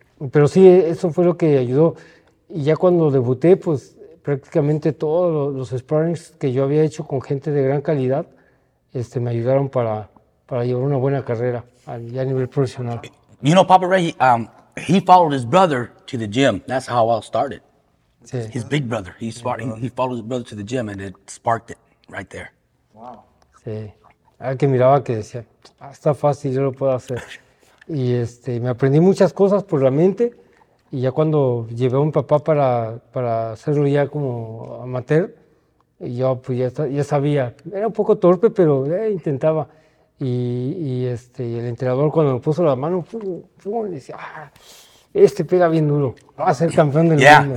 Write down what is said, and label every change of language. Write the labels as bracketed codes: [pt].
[es] Pero sí, eso fue lo que ayudó. Y ya cuando debuté, pues prácticamente todos los sparrings que yo había hecho con gente de gran calidad me ayudaron para llevar una buena carrera ya a nivel profesional. [en] You know, Papa Ray, he followed his brother to the gym. That's how I started. [es] Sí. [en] His big brother. He followed his brother to the gym and it sparked it right there. [es] Wow. Sí. Ahora que miraba que decía, está fácil, yo lo puedo hacer. Y me aprendí muchas cosas por la mente. Y ya cuando llevé a mi papá para hacerlo ya como amateur, yo pues ya sabía. Era un poco torpe, pero intentaba. Y el entrenador cuando me puso la mano, decía, pega bien duro, va a ser campeón del mundo.